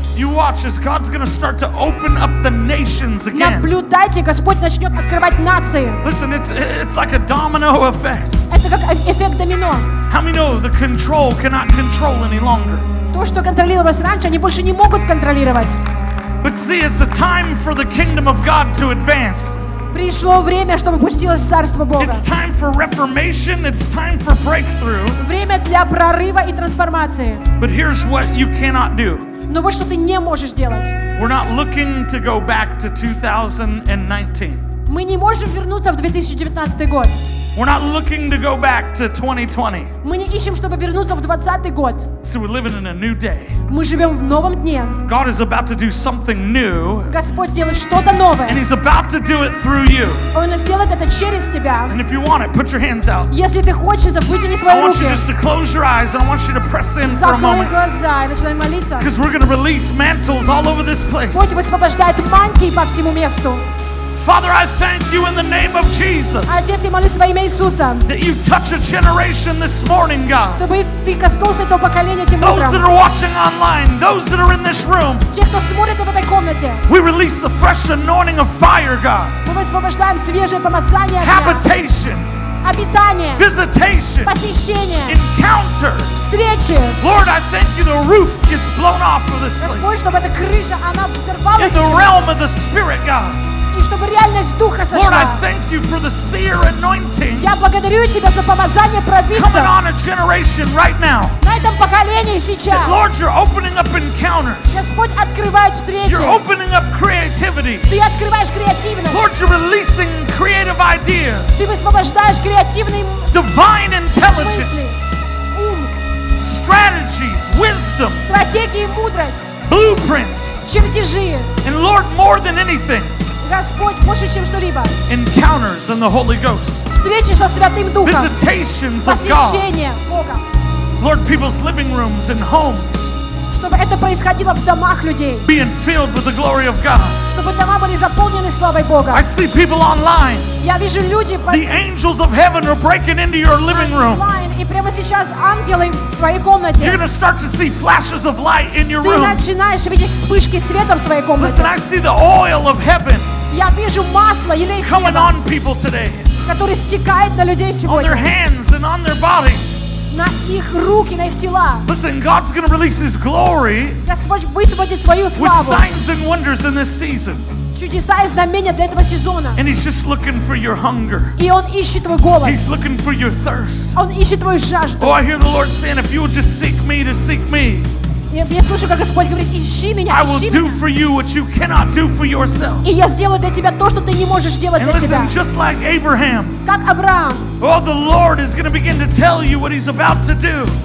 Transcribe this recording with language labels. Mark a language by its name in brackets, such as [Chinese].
[English] You watch as God's going to start to open up the nations again. [Russian] Наблюдайте, Господь начнет открывать нации. [English] Listen, it's like a domino effect. [Russian] Это как эффект домино. [English] How many know the control cannot control any longer? [Russian] То, что контролировалось раньше, они больше не могут контролировать. [English] But see, it's a time for the kingdom of God to advance. [Russian] Пришло время, чтобы пустилось царство Бога. [English] It's time for reformation. It's time for breakthrough. [Russian] Время для прорыва и трансформации. [English] But here's what you cannot do. [Russian] Но вот что ты не можешь делать. [English] We're not looking to go back to 2019. [Russian] Мы не можем вернуться в 2019 год. [English] We're not looking to go back to 2020. [Russian] Мы не ищем, чтобы вернуться в 2020 год. [English] So we're living in a new day. [Russian] Мы живем в новом дне. [English] God is about to do something new. [Russian] Господь сделает что-то новое. [English] And He's about to do it through you. [Russian] Он сделает это через тебя. [English] And if you want it, put your hands out. [Russian] Если ты хочешь, то вытяни свои руки. [English] I want you just to close your eyes and I want you to press in for a moment. [Russian] Закрой глаза и начинай молиться. [English] Because we're going to release mantles all over this place. [Russian] Господь высвобождает мантии по всему месту. [English] Father, I thank you in the name of Jesus. [Russian] Отец, я молюсь во имя Иисуса. [English] That you touch a generation this morning, God. [Russian] Чтобы ты коснулся этого поколения этим утром. [English] Those that are watching online, those that are in this room. [Russian] Те, кто смотрит в этой комнате. [English] We release a fresh anointing of fire, God. [Russian] Мы высвобождаем свежее помазание огня. [English] Habitation. [Russian] Обитание. [English] Visitation. [Russian] Посещение. [English] Encounter. [Russian] Встречи. [English] Lord, I thank you the roof gets blown off of this place. [Russian] Господь, чтобы эта крыша она взорвалась. [English] In the realm of the spirit, God. [Russian] Чтобы реальность Духа сошла. [English] Lord, I thank you for the seer anointing. [Russian] Я благодарю тебя за помазание пробиться. [English] Coming on a generation right now. [Russian] На этом поколении сейчас. [English] That, Lord, you're opening up encounters. [Russian] Господь открывает встречи. [English] You're opening up creativity. [Russian] Ты открываешь креативность. [English] Lord, you're releasing creative ideas. [Russian] Ты высвобождаешь креативные мысли. [English] Divine intelligence. Strategies, wisdom. [Russian] Стратегии, мудрость. [English] Blueprints. [Russian] Чертежи. [English] And Lord, more than anything. [Russian] Господь больше, чем что-либо. [English] Encounters in the Holy Ghost. [Russian] Встречи со Святым Духом. [English] Visitations of God. [Russian] Посещение Бога. [English] Lord, people's living rooms and homes. [Russian] Чтобы это происходило в домах людей. [English] Being filled with the glory of God. [Russian] Чтобы дома были заполнены славой Бога. [English] I see people online. [Russian] Я вижу люди. [English] The angels of heaven are breaking into your living room. [Russian] И прямо сейчас ангелы в твоей комнате. [English] You're going to start to see flashes of light in your room. [Russian] Ты начинаешь видеть вспышки света в своей комнате. [English] Listen, I see the oil of heaven. [Russian] Я вижу масло или сила. [English] Coming on people today. [Russian] Которое стекает на людей сегодня. [English] On their hands and on their bodies. [Russian] На их руки, на их тела. [English] Listen, God's going to release His glory. [Russian] Господь высвободит свою славу. [English] With signs and wonders in this season. [Russian] Чудеса и знамения для этого сезона. [English] And He's just looking for your hunger. [Russian] И Он ищет твой голод. [English] He's looking for your thirst. [Russian] Он ищет твою жажду. [English] Oh, I hear the Lord saying, if you will just seek Me, to seek Me. [Russian] Я слушаю, как Господь говорит, ищи меня, ищи меня. [English] I will do for you what you cannot do for yourself. [Russian] И я сделаю для тебя то, что ты не можешь сделать для себя. [English] And listen, just like Abraham. [Russian] Как Авраам. [English] Oh, the Lord is going to begin to tell you what He's about to do.